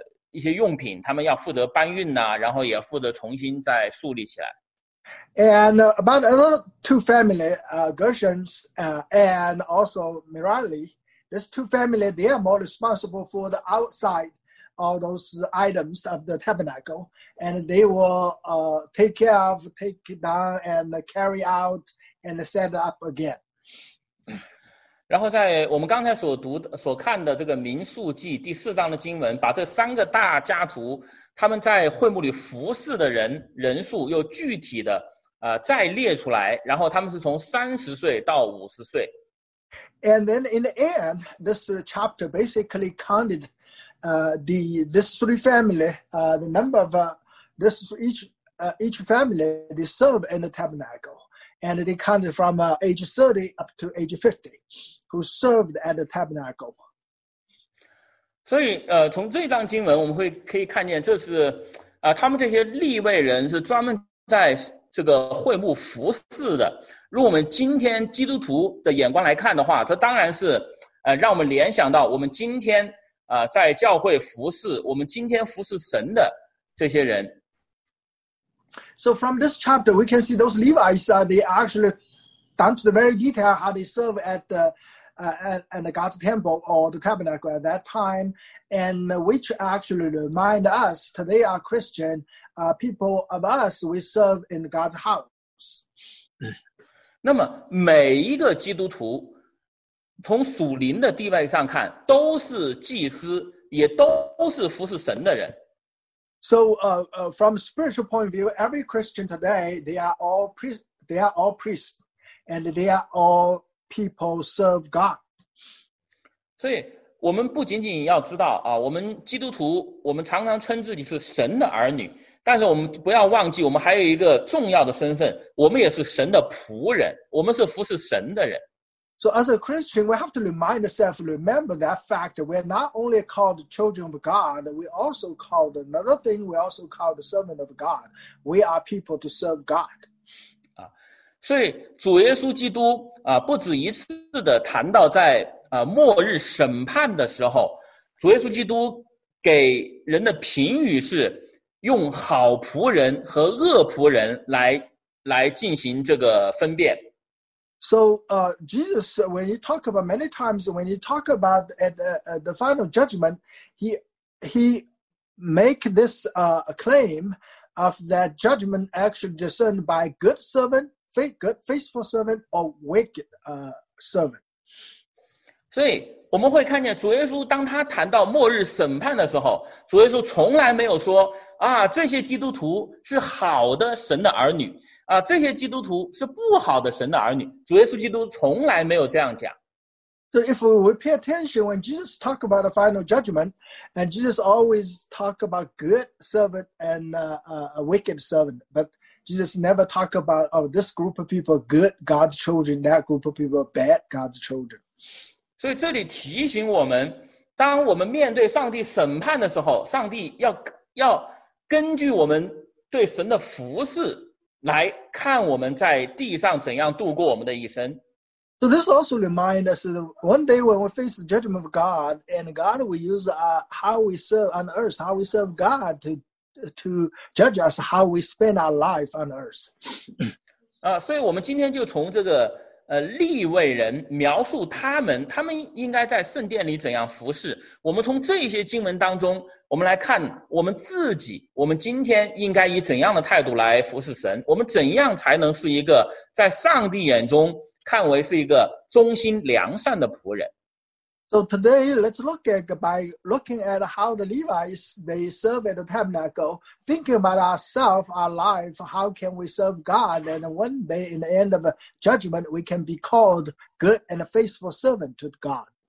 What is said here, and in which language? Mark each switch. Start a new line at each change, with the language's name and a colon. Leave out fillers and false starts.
Chinese: 一些用品，他们要负责搬运呐，然后也负责重新再树立起来。
English: And about another two family, Gershons, and also Merari, these two family, they are more responsible for the outside of those items of the tabernacle, and they will take care of, take it down, and carry out, and set up again.
Chinese: 然后在我们刚才所看的这个民数记第四章的经文，把这三个大家族他们在会幕里服侍的人数又具体的再列出来，然后他们是从30岁到50岁。
English: And then in the end, this chapter basically counted this three family, the number of this each family they served in the tabernacle, and they counted from age 30 up to age 50. Who served at the tabernacle.
Chinese: 所以从这段经文我们可以看见，这是他们这些利未人是专门在这个会幕服侍的。如果我们今天基督徒的眼光来看的话，这当然是让我们联想到我们今天在教会服侍，我们今天服侍神的这些人。
English: So from this chapter, we can see those Levites, they actually down to the very detail how they serve at the God's temple or the tabernacle at that time, and which actually remind us that they are Christian people of us, we serve in God's house.
Chinese: 那么每一个基督徒从属灵的地位上看都是祭司也都是服侍神的人。
English: So, from spiritual point of view, every Christian today, they are all priests, and they are all people serve God.
Chinese: 所以我们不仅仅要知道啊，我们基督徒，我们常常称自己是神的儿女，但是我们不要忘记，我们还有一个重要的身份，我们也是神的仆人，我们是服侍神的人。
English: So as a Christian, we have to remind ourselves, remember that fact, we're not only called children of God, we also called another thing, we also called the servant of God. We are people to serve God.
Chinese: 所以主耶稣基督不止一次地谈到在末日审判的时候，主耶稣基督给人的评语是用好仆人和恶仆人来进行这个分辨。
English: So, Jesus, when you talk about many times, when you talk about at the final judgment, he make this claim of that judgment actually discerned by good servant, faithful servant, or wicked servant.
Chinese: 所以我们会看见主耶稣当他谈到末日审判的时候，主耶稣从来没有说啊，这些基督徒是好的神的儿女。这些基督徒是不好的神的儿女，主耶稣基督从来没有这样讲。
English: So if we pay attention when Jesus talk about the final judgment, and Jesus always talk about good servant and a wicked servant, but Jesus never talk about oh this group of people good God's children, that group of people bad God's children.
Chinese: 所以这里提醒我们，当我们面对上帝审判的时候，上帝要根据我们对神的服侍。来看我们在地上怎样度过我们的一生。
English: So this also reminds us that one day when we face the judgment of God, and God will use how we serve on earth, how we serve God to judge us how we spend our life on earth.
Chinese: 所以我们今天就从这个利未人描述他们应该在圣殿里怎样服侍。我们从这些经文当中，我们来看我们自己，我们今天应该以怎样的态度来服侍神？我们怎样才能是一个在上帝眼中看为是一个忠心良善的仆人
English: ？So today, let's look at by looking at how the Levites they serve at the tabernacle, thinking about ourselves, our life. How can we serve God? And one day, in the end of judgment, we can be called good and faithful servant to God.